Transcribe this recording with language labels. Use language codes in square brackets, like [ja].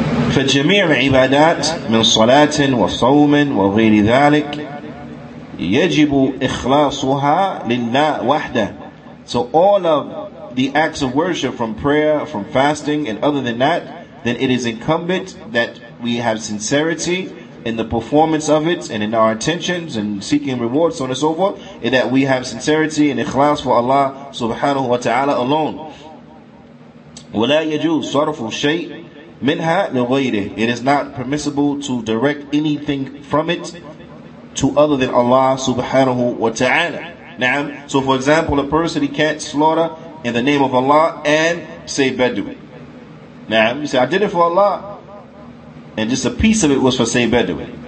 [ar] فجميع عبادات من صلاة وصوم وغير ذلك يجب إخلاصها لله وحده. [en] So all of the acts of worship, from prayer, from fasting, and other than that, then it is incumbent that we have sincerity in the performance of it, and in our intentions and seeking rewards, so on and so forth, and that we have sincerity and ikhlas for Allah subhanahu wa ta'ala alone. [ar] ولا يجوز صرف شيء منها لغيره. [en] It is not permissible to direct anything from it to other than Allah subhanahu wa ta'ala. Na'am. So for example, a person, he can't slaughter in the name of Allah and say Bedu. Na'am. You say, I did it for Allah, and just a piece of it was for say Bedu.